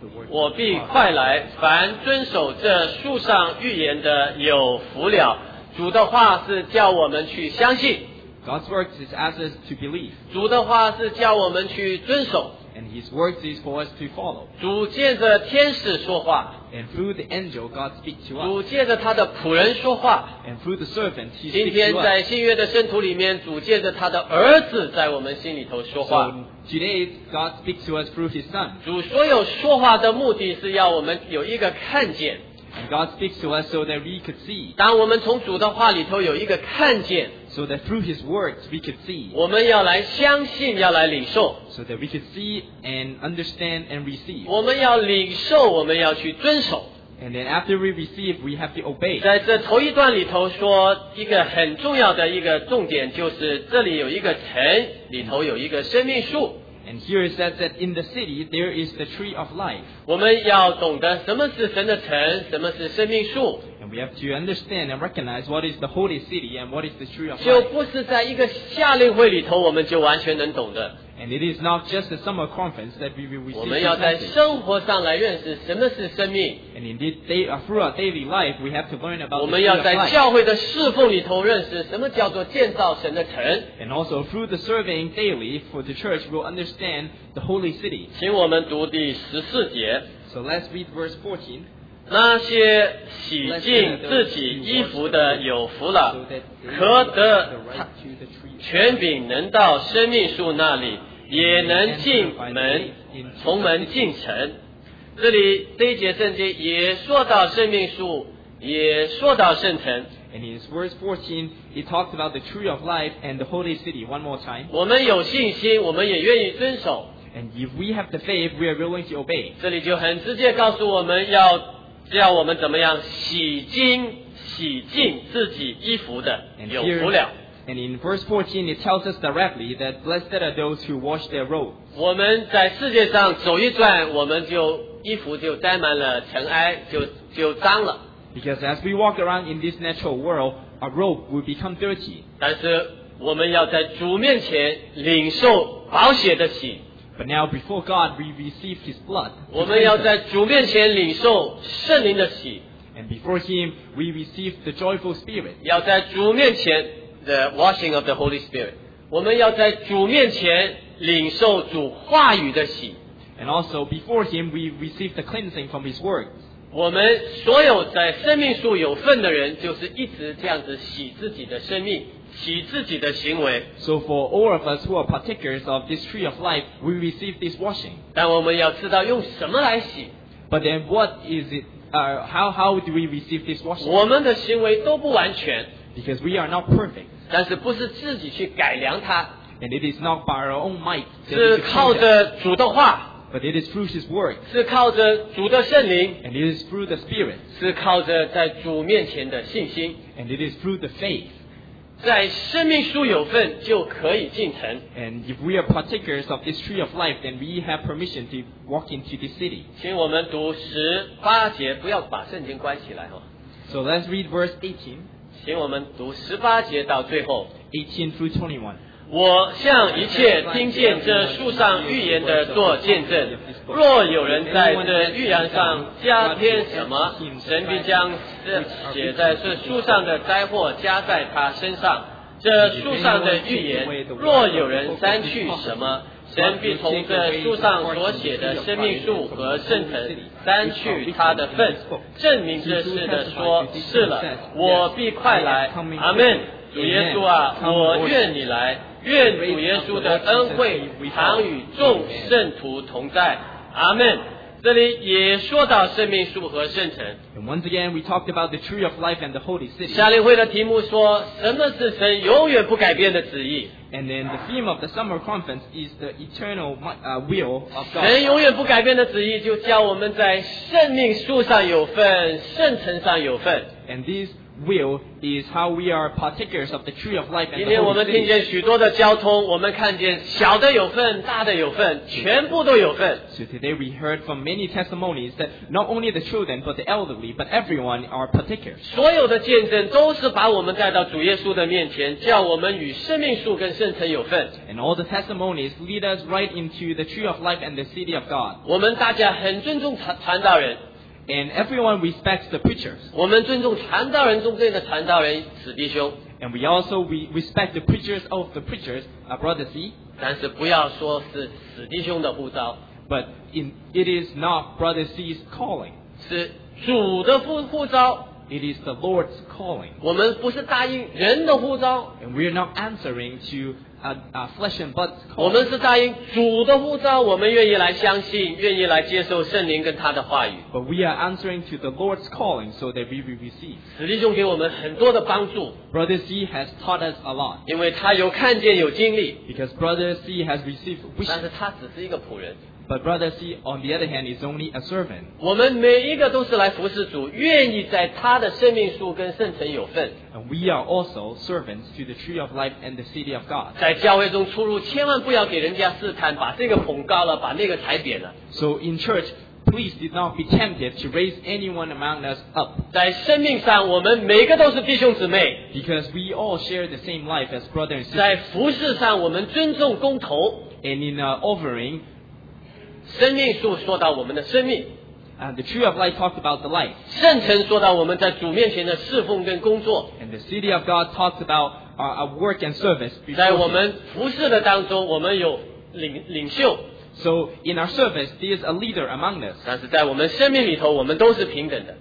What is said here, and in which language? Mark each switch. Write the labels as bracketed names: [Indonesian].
[Chinese] 我必快来，凡遵守这树上预言的有福了。主的话是叫我们去相信。 [English] God's word is as us to believe. [Chinese] 主的话是叫我们去遵守。 [English] And his word is for us to follow. [Chinese] 主借着天使说话。 [English] And through the angel, God speaks to us. [Chinese] 主借着他的仆人说话。 [English] And through the servant, he speaks to us. [Chinese] 今天在新约的圣徒里面，主借着他的儿子在我们心里头说话。 [English] Today, God speaks to us through His Son. [Chinese] 主所有说话的目的是要我们有一个看见。 [English] And God speaks to us so that we could see. [Chinese] 当我们从主的话里头有一个看见。 [English] So that through His words we could see. [Chinese] 我们要来相信，要来领受。 [English] So that we could see and understand and receive. [Chinese] 我们要领受，我们要去遵守。 [English] And then after we receive, we have to obey. [Chinese] 在这头一段里头说，一个很重要的一个重点就是这里有一个城，里头有一个生命树。 [English] And here it says that in the city there is the tree of life. [Chinese] 我们要懂得什么是神的城，什么是生命树。 [English] And we have to understand and recognize what is the holy city and what is the tree of life. [Chinese] 就不是在一个夏令会里头我们就完全能懂的。 [English] And it is not just a summer conference that we will receive. [Chinese] 我们要在生活上来认识什么是生命。 [English] And indeed, through our daily life, we have to learn about the tree of life. [Chinese] 我们要在教会的侍奉里头认识什么叫做建造神的城。 [English] And also through the serving daily for the church, we'll understand the holy city. [Chinese] 请我们读第十四节。 [English] So let's read verse 14. [Chinese] 那些洗净自己衣服的有福了，可得权柄能到生命树那里，也能进门，从门进城。这里这一节圣经也说到生命树，也说到圣城。 [English] And in verse 14, he talks about the tree of life and the holy city one more time. [Chinese] 我们有信心，我们也愿意遵守。 [English] And if we have the faith, we are willing to obey. [Chinese] 这里就很直接告诉我们要叫我们怎么样洗净洗净自己衣服的，有福了。 [English] And in verse 14, it tells us directly that blessed are those who wash their robe. [Chinese] 我们在世界上走一转，我们就衣服就沾满了尘埃，就脏了。 [English] Because as we walk around in this natural world, our robe will become dirty. [Chinese] 但是我们要在主面前领受宝血的洗。 [English] But now before God, we receive His blood. [Chinese] 我们要在主面前领受圣灵的洗。 [English] And before Him, we receive the joyful spirit. [Chinese] 要在主面前。 [English] The washing of the Holy Spirit. [Chinese] 我们要在主面前领受主话语的洗。 [English] And also before Him, we receive the cleansing from His words. [Chinese] 我们所有在生命树有份的人，就是一直这样子洗自己的生命，洗自己的行为。 [English] So for all of us who are partakers of this tree of life, we receive this washing. [Chinese] 但我们要知道用什么来洗。 [English] But then what is it? How do we receive this washing? [Chinese] 我们的行为都不完全。 [English] Because we are not perfect. [Chinese] 但是不是自己去改良它。 [English] And it is not by our own might. [Chinese] 是靠着主的话。 [English] But it is through His word. [Chinese] 是靠着主的圣灵。 [English] And it is through the Spirit. [Chinese] 是靠着在主面前的信心。 [English] And it is through the faith. [Chinese] 在生命树有份就可以进城。 [English] And if we are partakers of this tree of life, then we have permission to walk into this city. [Chinese] 请我们读十八节，不要把圣经关起来。 [English] So let's read verse 18. [Chinese] 请我们读十八节到最后。 [English] 18 through 21. [Chinese] 我向一切听见这树上预言的做见证。若有人在这预言上加添什么，神必将这写在这树上的灾祸加在他身上。这树上的预言，若有人删去什么，神必从这树上所写的生命树和圣城删去他的份，证明这事的说是了，我必快来。阿们。主耶稣啊，我愿你来，愿主耶稣的恩惠常与众圣徒同在。阿们。这里也说到生命树和圣城。 [English] And once again, we talked about the tree of life and the holy city. [Chinese] 夏令会的题目说，什么是神永远不改变的旨意？ [English] And then the theme of the summer conference is the eternal will of God. [Chinese] 神永远不改变的旨意就叫我们在生命树上有份，圣城上有份。 [English] And this will is how we are partakers of the tree of life and the holy city. [Chinese] 今天我们听见许多的交通，我们看见小的有份，大的有份，全部都有份。 [English] So today we heard from many testimonies that not only the children but the elderly but everyone are partakers. [Chinese] 所有的见证都是把我们带到主耶稣的面前，叫我们与生命树跟圣城有份。 [English] And all the testimonies lead us right into the tree of life and the city of God. [Chinese] 我们大家很尊重传道人。 [English] And everyone respects the preachers. [Chinese] 我们尊重传道人中间的传道人子弟兄。 [English] And we also respect the preachers of the preachers, our brothers. [Chinese] 但是不要说是子弟兄的呼召。 [English] But it is not brother C's calling. [Chinese] 是主的呼召。 [English] It is the Lord's calling. [Chinese] 我们不是答应人的呼召。 [English] And we are not answering to flesh and blood call. [Chinese] 我们是答应主的呼召，我们愿意来相信，愿意来接受圣灵跟他的话语。 [English] But we are answering to the Lord's calling so that we will receive. [Chinese] 史弟兄给我们很多的帮助。 [English] Brother C has taught us a lot. [Chinese] 因为他有看见有经历。 [English] Because Brother C has received wisdom. [Chinese] 但是他只是一个仆人。 [English] But Brother C, on the other hand, is only a servant. [Chinese] 我们每一个都是来服侍主，愿意在他的生命树跟圣城有份。 [English] And we are also servants to the tree of life and the city of God. [Chinese] 在教会中出入，千万不要给人家试探，把这个捧高了，把那个踩扁了。 [English] So in church, please do not be tempted to raise anyone among us up. [Chinese] 在生命上，我们每个都是弟兄姊妹。 [English] Because we all share the same life as brother and sister. [Chinese] 在服侍上，我们尊重公投。 [English] And in offering. [Chinese] 生命树说到我们的生命 [English] and the tree of life talked about the life. [Chinese] 圣城说到我们在主面前的侍奉跟工作 [English] and the city of God talked about our work and service. [Chinese] 在我们服侍的当中，我们有领袖 [English] So in our service, there is a leader among us. [Chinese] 但是在我们生命里头，我们都是平等的